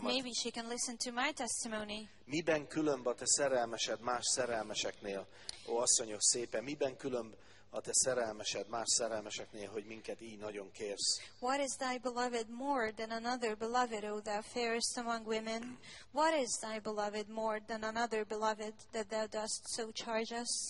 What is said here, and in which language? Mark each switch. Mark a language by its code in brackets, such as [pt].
[en] But maybe she can listen to my testimony. [hu] Miben különb a te szerelmesed más szerelmeseknél? Ó, asszonyok szépen, miben különb a te szerelmesed más szerelmeseknél, hogy minket így nagyon kérsz. [en] What is thy beloved more than another beloved, O thou fairest among women? What is thy beloved more than another beloved, that thou dost so charge us?